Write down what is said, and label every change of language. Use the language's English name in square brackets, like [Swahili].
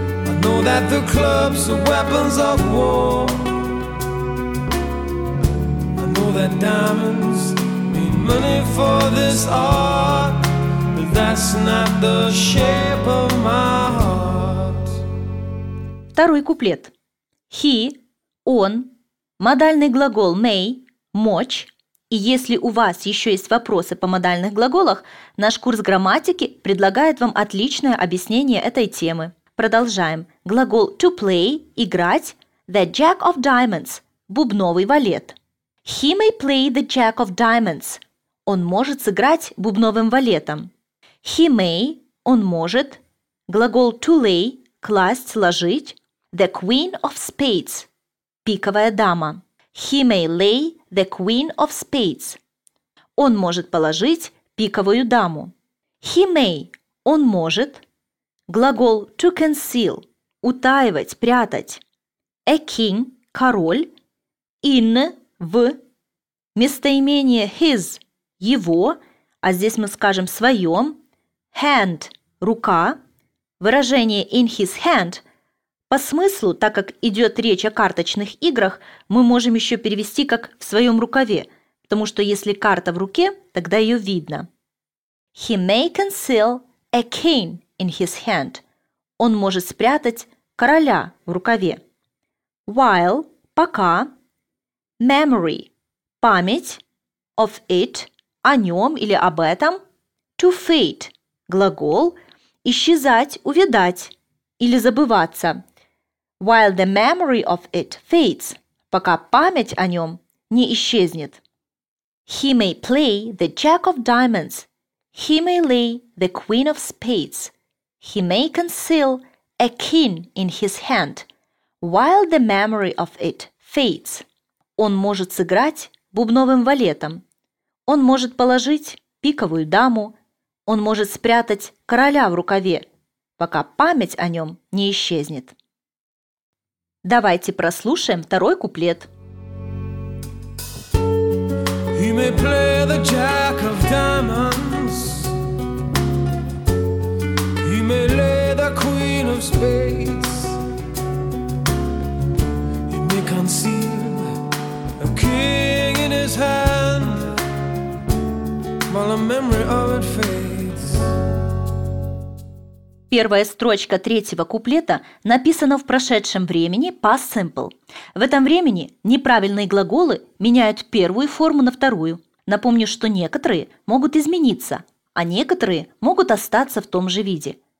[English] I know that the clubs are weapons of war. I know that diamonds mean money for this art, but that's not the shape of my heart. [Russian] Второй куплет. He, он, модальный глагол may, мочь, И если у вас еще есть вопросы по модальных глаголах, наш курс грамматики предлагает вам отличное объяснение этой темы. Продолжаем. Глагол to play – играть. [English] The Jack of Diamonds – [Russian] бубновый валет. [English] He may play the Jack of Diamonds. [Russian] Он может сыграть бубновым валетом. [English] He may [Russian] – он может. Глагол to lay – класть, ложить. [English] The Queen of Spades – [Russian] пиковая дама. [English] He may lay the Queen of Spades. [Russian] Он может положить пиковую даму. [English] He may [Russian] – он может. Глагол to conceal – утаивать, прятать. [English] A king – король. In – в. [Russian] Местоимение his – его, а здесь мы скажем своем. [English] Hand – рука. [Russian] Выражение in his hand – по смыслу, так как идет речь о карточных играх, мы можем еще перевести как «в своем рукаве», потому что если карта в руке, тогда ее видно. [English] He may conceal a cane in his hand. [Russian] Он может спрятать короля в рукаве. [English] While [Russian] – пока. [English] Memory [Russian] – память. [English] Of it [Russian] – о нем или об этом. [English] To fade – глагол. [Russian] Исчезать, увядать или забываться. [English] While the memory of it fades, [Russian] пока память о нем не исчезнет. [English] He may play the Jack of Diamonds. He may lay the Queen of Spades. He may conceal a king in his hand. While the memory of it fades. [Russian] Он может сыграть бубновым валетом. Он может положить пиковую даму. Он может спрятать короля в рукаве, пока память о нем не исчезнет. Давайте прослушаем второй куплет. [English] He may play the Jack of Diamonds. He may lay the Queen of Spades. He may conceal a king in his hand while the memory of it fades. [Russian] Первая строчка третьего куплета написана в прошедшем времени past simple. В этом времени неправильные глаголы меняют первую форму на вторую. Напомню, что некоторые могут измениться, а некоторые могут остаться в том же виде.